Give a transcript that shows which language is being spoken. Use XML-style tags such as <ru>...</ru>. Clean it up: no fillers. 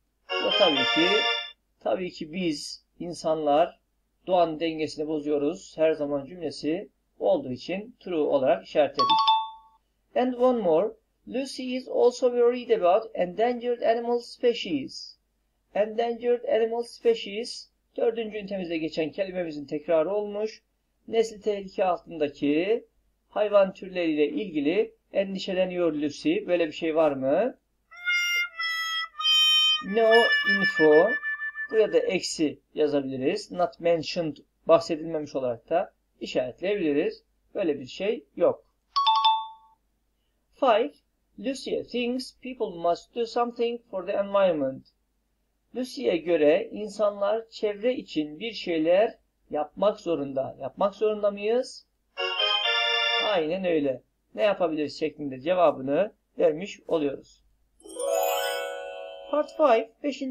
<tr>Ve tabii ki biz insanlar doğanın dengesini bozuyoruz. Her zaman cümlesi olduğu için true olarak işaretledik.</tr> <en>And one more. Lucy is also worried about endangered animal species. Endangered animal species,</en> <tr>dördüncü ünitemizde geçen kelimemizin tekrarı olmuş. Nesli tehlike altındaki hayvan türleriyle ilgili endişeleniyor Lucy. Böyle bir şey var mı?</tr> <en>No info.</en> <tr>Buraya da eksi yazabiliriz.</tr> <en>Not mentioned,</en> <tr>bahsedilmemiş olarak da işaretleyebiliriz. Böyle bir şey yok. 5.</tr> <en>Lucy thinks people must do something for the environment.</en> <tr>Lucy'ye göre insanlar çevre için bir şeyler yapmak zorunda. Yapmak zorunda mıyız? Aynen öyle. Ne yapabiliriz şeklinde cevabını vermiş oluyoruz. Part 5, 5.</tr>